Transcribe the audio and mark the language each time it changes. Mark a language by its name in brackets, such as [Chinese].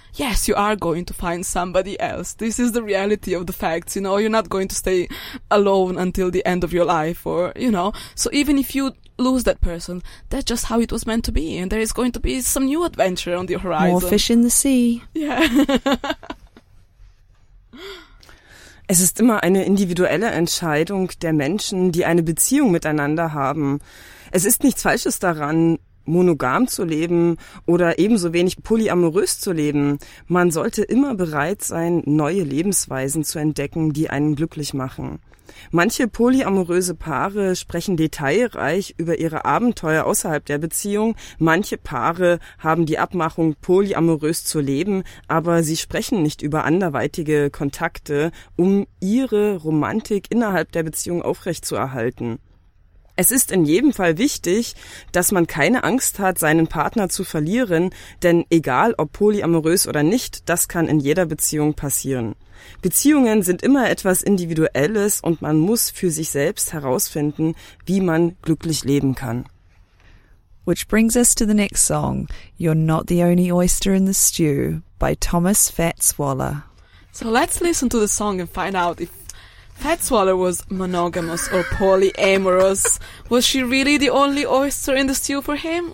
[English] Yes, you are going to find somebody else. This is the reality of the facts, you know. You're not going to stay alone until the end of your life, or, you know. So even if you lose that person, that's just how it was meant to be. And there is going to be some new adventure on the horizon. More fish in the sea. Yeah. [German] Es ist immer eine individuelle Entscheidung der Menschen, die eine Beziehung miteinander haben. Es ist nichts Falsches daran, monogam zu leben oder ebenso wenig polyamorös zu leben. Man sollte immer bereit sein, neue Lebensweisen zu entdecken, die einen glücklich machen. Manche polyamoröse Paare sprechen detailreich über ihre Abenteuer außerhalb der Beziehung. Manche Paare haben die Abmachung, polyamorös zu leben, aber sie sprechen nicht über anderweitige Kontakte, um ihre Romantik innerhalb der Beziehung aufrechtzuerhalten. Es ist in jedem Fall wichtig, dass man keine Angst hat, seinen Partner zu verlieren, denn egal ob polyamorös oder nicht, das kann in jeder Beziehung passieren. Beziehungen sind immer etwas Individuelles und man muss für sich selbst herausfinden, wie man glücklich leben kann. [English] Which brings us to the next song, You're Not the Only Oyster in the Stew by Thomas Fats Waller. So let's listen to the song and find out if Fats Waller was monogamous or polyamorous. Was she really the only oyster in the stew for him?